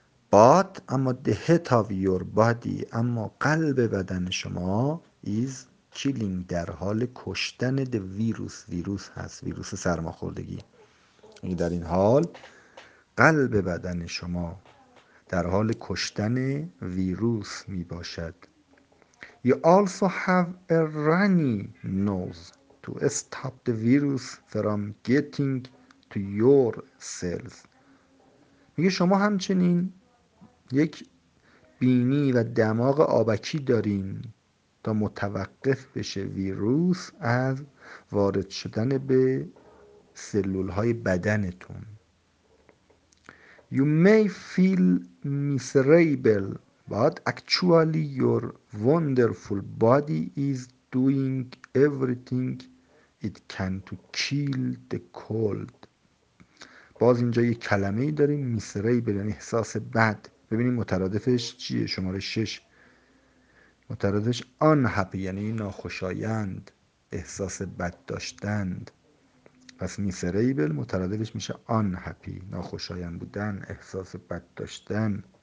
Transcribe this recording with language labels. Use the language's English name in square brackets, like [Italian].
[English] But [Persian] اما [English] the heat of your body، [Persian] اما قلب بدن شما [English] is killing، [Persian] در حال کشتن [English] the virus، [Persian] ویروس هست، ویروس سرماخوردگی. در این حال قلب بدن شما در حال کشتن ویروس می باشد. [English] You also have a runny nose to stop the virus from getting to your cells. [Persian] میگه شما همچنین یک بینی و دماغ آبکی دارین تا متوقف بشه ویروس از وارد شدن به سلول‌های بدنتون. [English] You may feel miserable, but actually your wonderful body is doing everything it can to kill the cold. [Persian] باز اینجا یک کلمه ای داریم، miserable یعنی احساس بد. ببینیم مترادفش چیه. شماره 6 مترادفش unhappy یعنی ناخوشایند، احساس بد داشتند. پس miserable مترادفش میشه unhappy، ناخوشایند بودن، احساس بد داشتن.